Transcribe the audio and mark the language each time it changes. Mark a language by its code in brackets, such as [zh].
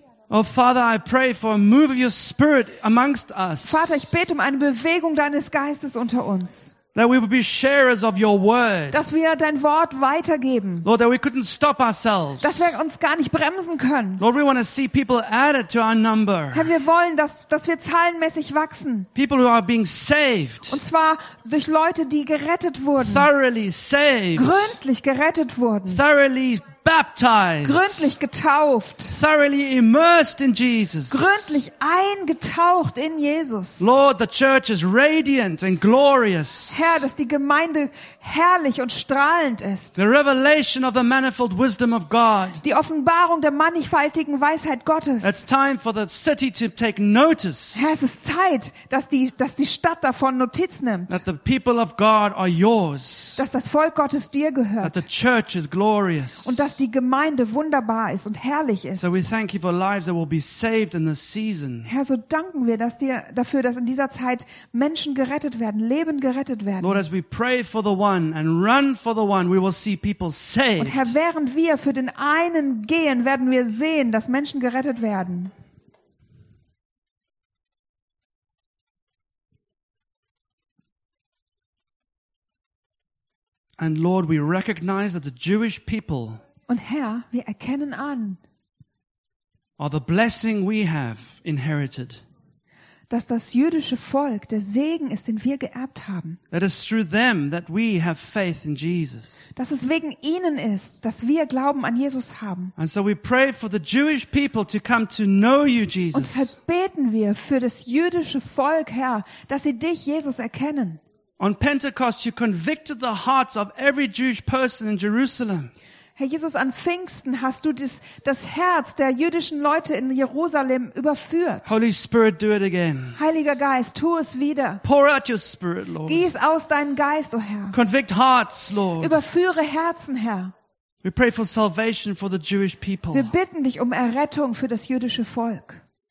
[en] Oh Father, I pray for a move of your Spirit amongst us. [de] Vater, ich bete um eine Bewegung deines Geistes unter uns. [en] That we would be sharers of your word. [de] Dass wir dein Wort weitergeben. [en] Lord, that we couldn't stop ourselves. [de] Dass wir uns gar nicht bremsen können. [en] Lord, we want to see people added to our number. [de] Herr, wir wollen, dass wir zahlenmäßig wachsen. [en] People who are being saved. [de] Und zwar durch Leute, die gerettet wurden. [en] Thoroughly saved. [de] Gründlich gerettet wurden. [en] Thoroughly baptized. [de] Gründlich getauft. [en] Thoroughly immersed in Jesus. [de] Gründlich eingetaucht in Jesus. [en] Lord, the church is radiant and glorious. [de] Herr, dass die Gemeinde herrlich und strahlend ist. [en] The revelation of the manifold wisdom of God. [de] Die Offenbarung der mannigfaltigen Weisheit Gottes. [en] It's time for the city to take notice. [de] Herr, es ist Zeit, dass die Stadt davon Notiz nimmt. [en] That the people of God are yours. [de] Dass das Volk Gottes dir gehört. [en] That the church is glorious. [de] Und dass die Gemeinde wunderbar ist und herrlich ist. [en] So we thank you for lives that will be saved in this season. [de] Herr, so danken wir dafür, dass in dieser Zeit Menschen gerettet werden, Leben gerettet werden. [en] Lord, as we pray for the one and run for the one, we will see people saved. [de] Und Herr, während wir für den einen gehen, werden wir sehen, dass Menschen gerettet werden. [en] And Lord, we recognize that the Jewish people. [de] Und Herr, wir erkennen an. [en] Are the blessing we have inherited. [de] Dass das jüdische Volk der Segen ist, den wir geerbt haben. [en] That is through them that we have faith in Jesus. [de] Dass es wegen ihnen ist, dass wir Glauben an Jesus haben. [en] And so we pray for the Jewish people to come to know you, Jesus. [de] Und Herr, beten wir für das jüdische Volk, Herr, dass sie dich, Jesus, erkennen. [en] On Pentecost, you convicted the hearts of every Jewish person in Jerusalem. [de] Herr Jesus, an Pfingsten hast du das Herz der jüdischen Leute in Jerusalem überführt. [en] Holy Spirit, do it again. [de] Heiliger Geist, tu es wieder. [en] Pour out your Spirit, Lord. [de] Gieß aus deinen Geist, o Herr. [en] Convict hearts, Lord. [de] Überführe Herzen, Herr. [en] We pray for salvation for the Jewish people. [de] Wir bitten dich um Errettung für das jüdische Volk.